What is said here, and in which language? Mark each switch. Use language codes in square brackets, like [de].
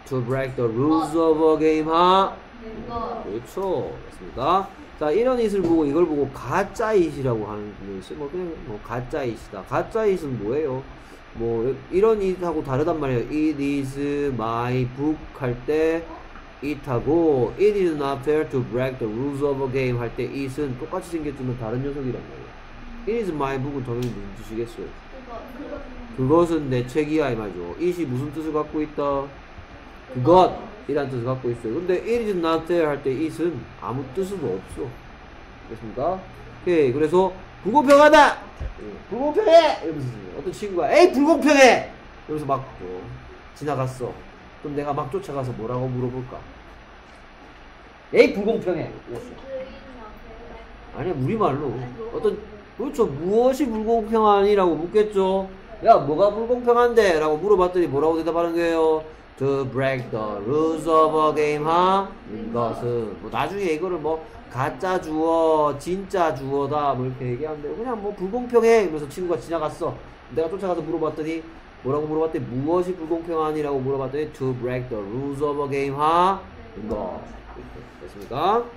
[en] To break the rules of a game 하. [ko] 그렇죠. 맞습니다. 자, 이런 it을 보고 이걸 보고 가짜 it이라고 하는 것이 뭐 그냥 뭐 가짜 it이다. 가짜 it은 뭐예요? 뭐 이런 it하고 다르단 말이에요. [en] It is my book [ko] 할 때 it하고 [en] it is not fair to break the rules of a game [ko] 할 때 it은 똑같이 생겼지만 다른 녀석이란 말이에요. [en] It is my book [ko] 은 당연히 무슨 뜻이겠어요? 그것은 내 책이야 이 말이죠. it이 무슨 뜻을 갖고 있다? 그것이란 뜻을 갖고 있어요. 근데 [en] it is not fair [ko] 할 때 it은 아무 뜻도 없어. 됐습니까? 오케이. 그래서 불공평하다! 불공평해! 이러면서 어떤 친구가 에이 불공평해! 이러면서 막 뭐, 지나갔어. 그럼 내가 막 쫓아가서 뭐라고 물어볼까? 에이 불공평해! 이랬어. 아니야 우리말로 어떤 그렇죠 무엇이 불공평하니? 라고 묻겠죠. 야 뭐가 불공평한데? 라고 물어봤더니 뭐라고 대답하는 거예요? [en] to break the rules of a game, huh? [ko] 이것은 뭐 나중에 이거를 뭐 가짜 주어, 진짜 주어다 뭐 이렇게 얘기하는데 그냥 뭐 불공평해 이러면서 친구가 지나갔어. 내가 쫓아가서 물어봤더니 뭐라고 물어봤대? 무엇이 불공평하니라고 물어봤더니 [en] to break the rules of a game, huh? [ko] 이것. 됐습니까?